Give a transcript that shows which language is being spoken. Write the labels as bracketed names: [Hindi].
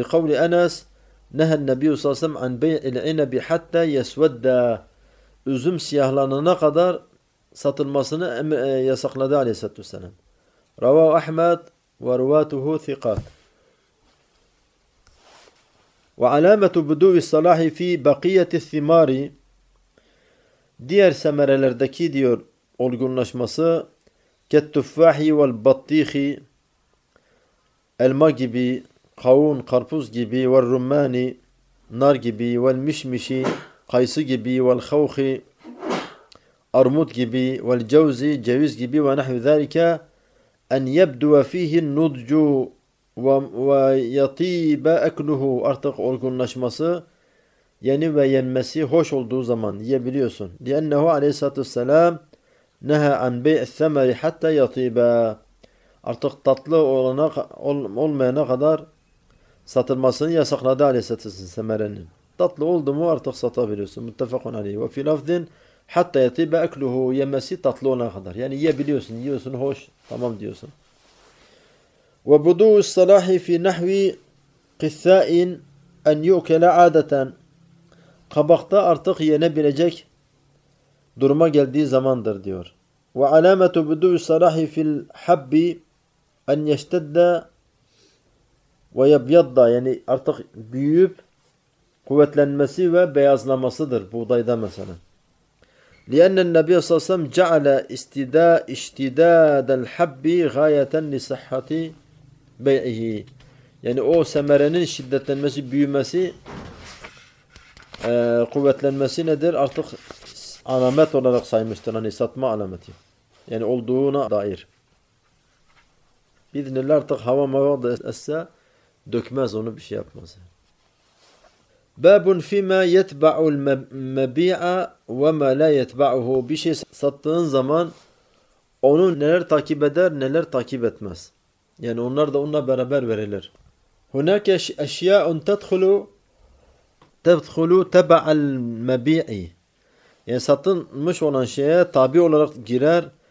[Arabic] لِقَوْلِ اَنَسْ نَهَا النَّبِيُّ صَلَّى اللَّهُ عَلَيْهِ وَسَلَّمَ عَنْ بَيْعِ الْعِنَبِ حَتَّى يَسْوَدَّ [Turkish] Üzüm siyahlanana kadar satılmasını yasakladı aleyhissalatü vesselam. [Arabic] رَوَا اَحْمَدْ وَرُوَاتُهُ ثِقَاتٍ وعلامة بدو الصلاح في بقية الثمار [Turkish] diğer semerelerdeki diyor olgunlaşması kettufahi vel battihi elma gibi kavun karpuz gibi vel rummani nar gibi vel mişmişi kayısı gibi vel havhi armut gibi vel cevzi ceviz gibi [Arabic] ve nahvi zalika en yebdua fihi nudcu وَيَط۪يبَ اَكْلُهُ [Turkish] Artık olgunlaşması, yeni ve yenmesi hoş olduğu zaman yiyebiliyorsun. [Arabic] لِأَنَّهُ عَلَيْهِ سَلَّتُ السَّلَامِ نَهَا عَنْ بَيْءِ الثَّمَرِ حَتَّى يَط۪يبَ [Turkish] Artık tatlı olana, olmayana kadar satılmasını yasakladı aleyhissalatü vesselam semerenin. Tatlı oldu mu artık satabiliyorsun. [Arabic] مُتَّفَقُنْ عَلَيْهِ وَفِي لَفْذٍ حَتَّى يَط۪يبَ اَكْلُهُ [Turkish] Yemesi tatlı olana kadar. Yani yiyebiliyorsun, yiyorsun, hoş, tamam diyorsun. [Arabic] وَبُدُوُ الصَّلَاحِ فِي نَحْوِ قِثَّاءٍ اَنْ يُؤْكَلَ عَادَةً [Turkish] Kabakta artık yenebilecek duruma geldiği zamandır diyor. [Arabic] وَعَلَامَةُ بُدُوُ الصَّلَاحِ فِي الْحَبِّ اَنْ يَشْتَدَّ وَيَبْيَدَّ [Turkish] Yani artık büyüyüp kuvvetlenmesi ve beyazlamasıdır buğdayda mesela. [Arabic] لِأَنَّ النَّبِيَ صَلَّى اللَّهُ عَلَيْهِ وَسَلَّمَ جَعَلَ اِشْتِدَادَ الْحَبِّ غَايَةً لِصِحَّتِ بَيْعِهِ [Turkish] Yani o semerenin şiddetlenmesi, büyümesi, kuvvetlenmesi nedir? Artık alamet olarak saymıştır. Hani satma alameti. Yani olduğuna dair. İzn-i Allah artık hava mavada esse dökmez onu, bir şey yapmaz. [Arabic] بَابٌ فِي مَا يَتْبَعُ الْمَبِيعَ وَمَا لَا يَتْبَعُهُ [Turkish] Bir şey sattığın zaman onu neler takip eder, neler takip etmez. Yani onlar da onunla beraber verilir. [Arabic] هناك أشياء تدخل تبع المبيع. [Turkish] Yani satılmış olan şeye tabi olarak girer.